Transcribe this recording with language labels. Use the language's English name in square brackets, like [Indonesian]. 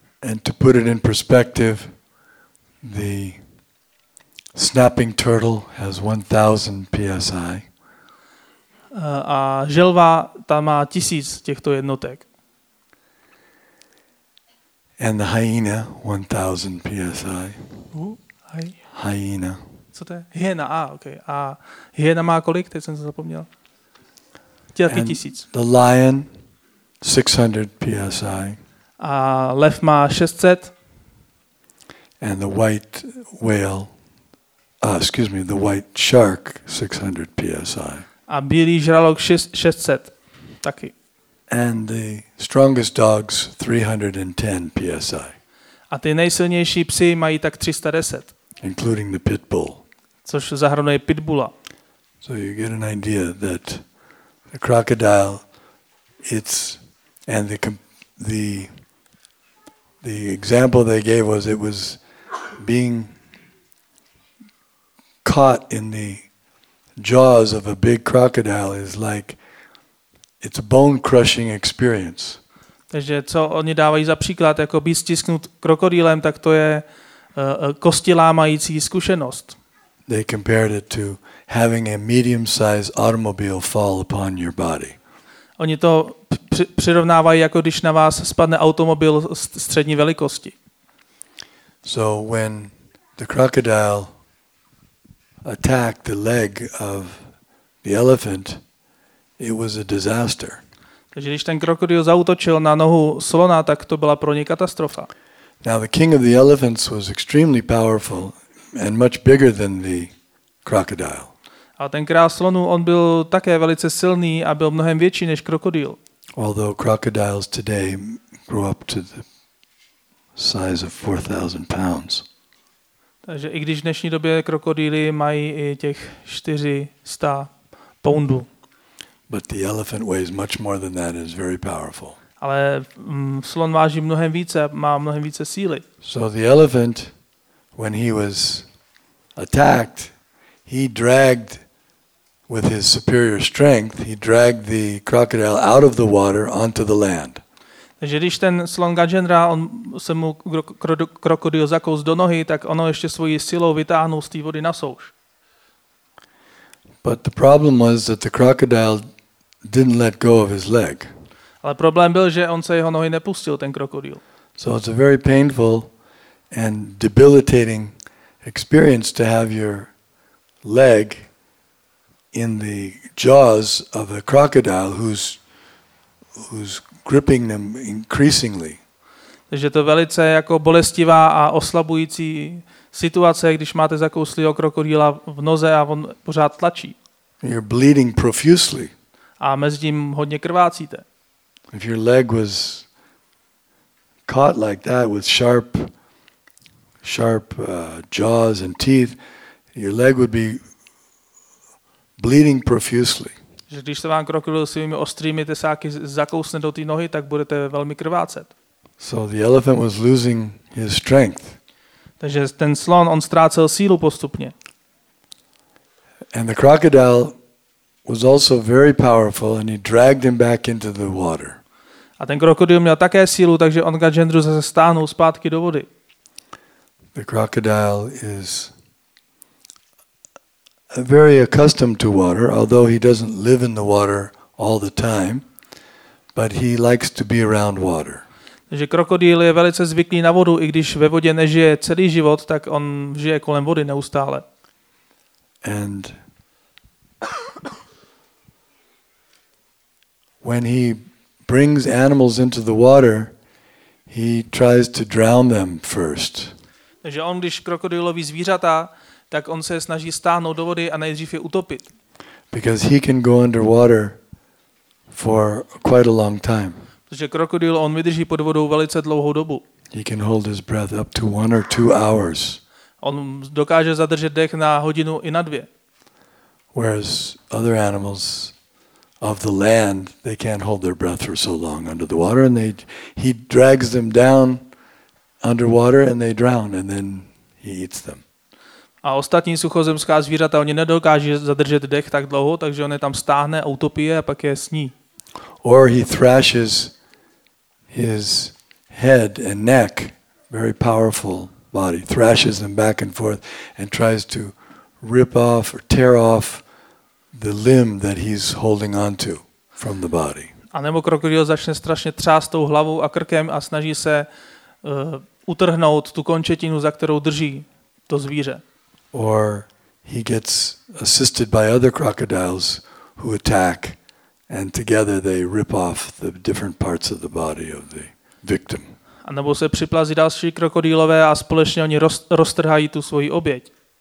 [English] And to put it in perspective, the snapping turtle has 1,000 PSI. [Czech] A želva ta má 1,000 těchto jednotek. [English] And the hyena, 1,000 PSI. Hyena. [Czech] Co to je? Hyena, okay. A hyena má kolik? Teď jsem se zapomněl. Těla 1,000. [English] The lion, 600 PSI. [Czech] A lev má 600. [English] And the white whale, the white shark, 600 PSI. [Czech] A bílý žralok 600 taky. [English] And the strongest dogs 310 psi. [Czech] A ty nejsilnější psi mají tak 310. [English] Including the pit bull. [Czech] Což zahrnuje pitbula. [English] So you get an idea that the crocodile it's and the example they gave was it was being caught in the jaws of a big crocodile is like it's a bone crushing experience. [Czech] Takže co oni dávají za příklad jako být stisknut krokodýlem, tak to je kostilámající zkušenost. [English] They compared it to having a medium sized automobile fall upon your body. [Czech] Oni to přirovnávají jako když na vás spadne automobil střední velikosti. [English] So when the crocodile attacked the leg of the elephant, it was a disaster. [Czech] Takže když ten krokodýl zaútočil na nohu slona, tak to byla pro něj katastrofa. [English] Now the king of the elephants was extremely powerful and much bigger than the crocodile. [Czech] A ten král slonů, on byl také velice silný a byl mnohem větší než krokodýl. [English] Although crocodiles today grow up to the size of 4,000 pounds. [Czech] Takže i když v dnešní době krokodýly mají i těch 400 poundů. [English] But the elephant weighs much more than that and is very powerful. [Czech] Ale slon váží mnohem více, má mnohem více síly. [English] So the elephant, when he was attacked, he dragged with his superior strength, he dragged the crocodile out of the water onto the land. [Czech] Takže když ten slon Gajendra, on se mu krokodýl zakous do nohy, tak ono ještě svojí silou vytáhnul z té vody na souš. [English] But the problem was that the crocodile didn't let go of his leg. [Czech] Ale problém byl, že on se jeho nohy nepustil, ten krokodýl. [English] So it's a very painful and debilitating experience to have your leg in the jaws of a crocodile who's gripping them increasingly. [Czech] Takže to velice jako bolestivá a oslabující situace, když máte zakouslýho krokodýla v noze a on pořád tlačí. [English] You're bleeding profusely. [Czech] A mezi tím hodně krvácíte. [English] If your leg was caught like that with sharp jaws and teeth, your leg would be bleeding profusely. [Czech] Že když se vám krokodýl svými ostrými tesáky zakousne do té nohy, tak budete velmi krvácet. [English] So the elephant was losing his strength. [Czech] Takže ten slon, on ztrácel sílu postupně. [English] And the crocodile was also very powerful and he dragged him back into the water. [Czech] A ten krokodýl měl také sílu, takže on Gajendru zase stáhnul zpátky do vody. [English] The crocodile is very accustomed to water, although he doesn't live in the water all the time, but he likes to be around water. [Czech] Takže krokodýl je velice zvyklý na vodu, i když ve vodě nežije celý život, tak on žije kolem vody neustále. [English] And when he brings animals into the water, he tries to drown them first. [Czech] Takže on, když krokodýloví zvířata, tak on se snaží stáhnout do vody a nejdřív je utopit. [English] Because he can go under water for quite a long time. [Czech] Protože krokodýl on vydrží pod vodou velice dlouhou dobu. [English] He can hold his breath up to 1 or 2 hours. [Czech] On dokáže zadržet dech na hodinu i na dvě. [English] Whereas other animals of the land, they can't hold their breath for so long under the water and he drags them down underwater and they drown and then he eats them. [Czech] A ostatní suchozemská zvířata, oni nedokáží zadržet dech tak dlouho, takže on je tam stáhne, utopí je a pak je sní. [English] Or he thrashes his head and neck, very powerful body, thrashes them back and forth and tries to rip off or tear off the limb that he's holding on to from the body. [Czech] A nebo krokodýl začne strašně třást tou hlavou a krkem a snaží se utrhnout tu končetinu, za kterou drží to zvíře. [English] Or he gets assisted by other crocodiles who attack and together they rip off the different parts of the body of the victim. [Czech] A nebo se připlazí další krokodýlové a společně oni roztrhají tu svoji oběť.